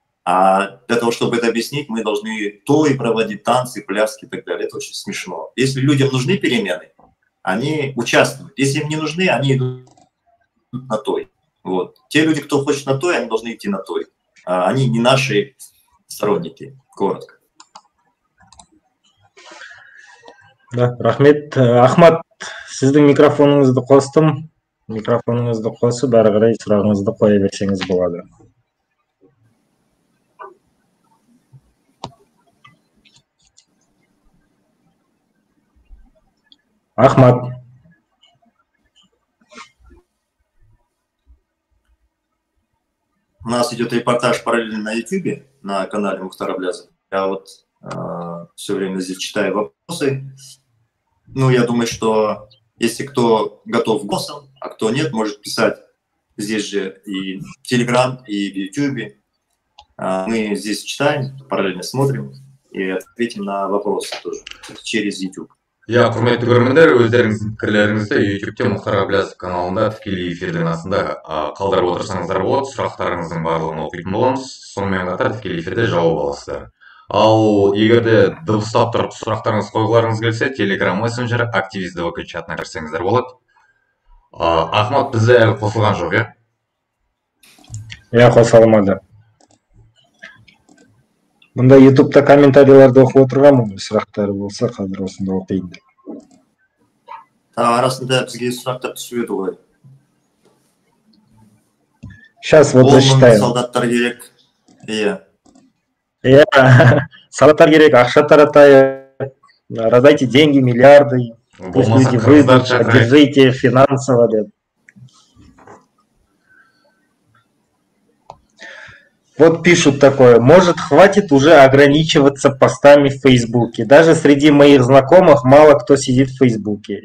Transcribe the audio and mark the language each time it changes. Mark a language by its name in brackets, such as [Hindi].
[Russian] А для того, чтобы это объяснить, мы должны то и проводить танцы, пляски и так далее. Это очень смешно. Если людям нужны перемены, они участвуют. Если им не нужны, они идут на то. Вот. Те люди, кто хочет на той, они должны идти на той. А они не наши сторонники. Коротко. Да, рахмет. [Kazakh] Ахмат, сіздің микрофоныңызды қостым. Микрофоныңызды қосып, ары қарай сұрағыңызды қоя берсеңіз болады. Ахмат. [Russian] У нас идет репортаж параллельно на YouTube, на канале Мухтар Аблязов. Я вот все время здесь читаю вопросы. Ну, я думаю, что если кто готов голосом, а кто нет, может писать здесь же и в Telegram, и в YouTube. Мы здесь читаем, параллельно смотрим и ответим на вопросы тоже через YouTube. [Kazakh] Я, құрметті көрермендер, өздеріңіздің пікірлеріңізді YouTube-те Мұхтар Аблязов каналында тікелей эфирдің астында қалдырып отырсаңыздар болады, сұрақтарыңыздың барлығын оқитын боламыз, сонымен қатар тікелей эфирде жауап аласыздар. Ал егер де дыбыстап тұрып сұрақтарыңыз қойғыларыңыз келсе, Telegram Messenger активист ВКонтакте чатына кірсеңіздер болады. Ахмат бізде әлі қосылған жоқ, иә? Я қоса алмады. Мында YouTube-та комментарийларды оқып отырғанмын, сұрақтары болса, қазір осында оқиын деп. Та, арасында бізге сұрақтар түсіреді ғой. [Russian] Сейчас вот зачитаю. [Kazakh] Солдаттар керек. Иә. Иә. Солдаттар керек, ақша таратайық. [Russian] Раздайте деньги, миллиарды. Пусть люди выйдут, поддержите финансово [Kazakh] деп. [Russian] Вот пишут такое, может, хватит уже ограничиваться постами в Фейсбуке. Даже среди моих знакомых мало кто сидит в Фейсбуке.